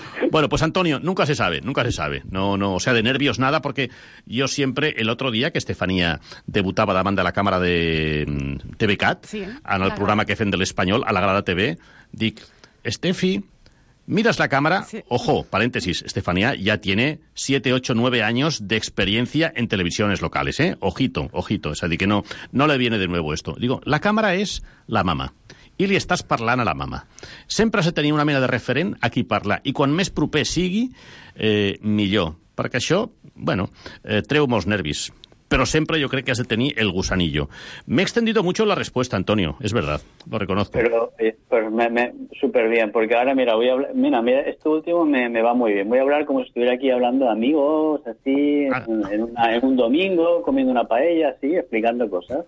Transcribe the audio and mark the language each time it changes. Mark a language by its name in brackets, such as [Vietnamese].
[Spanish] Bueno, pues Antonio, nunca se sabe, nunca se sabe. No, no, o sea, de nervios nada, porque yo siempre, el otro día que Estefanía debutaba [Catalan] davant de la càmera de TVCAT, [Spanish] sí, [Catalan] en el programa que fem de l'Espanyol, a la Grada TV, dic, Estefi, [Spanish] miras la càmera, [Catalan] sí. [Spanish] Ojo, paréntesis, Estefanía ya tiene 7, 8, 9 años de experiencia en televisiones locales, ¿eh? Ojito, ojito, o sea, di que no, no le viene de nuevo esto. [Catalan] Digo, la càmera és la mama. I li estàs parlant a la mama. Sempre has de tenir una mena de referent a qui parla. I quan més proper sigui, millor. Perquè això, bueno, treu molts nervis. Però sempre jo crec que has de tenir el gusanillo. [Spanish] M'he extendido mucho la respuesta, Antonio. És verdad, lo reconozco. Pero superbien, porque ahora, mira, voy a hablar... Mira, mira, esto último me va muy bien. Voy a hablar como si estuviera aquí hablando de amigos, así, en un domingo, comiendo una paella, así, explicando cosas.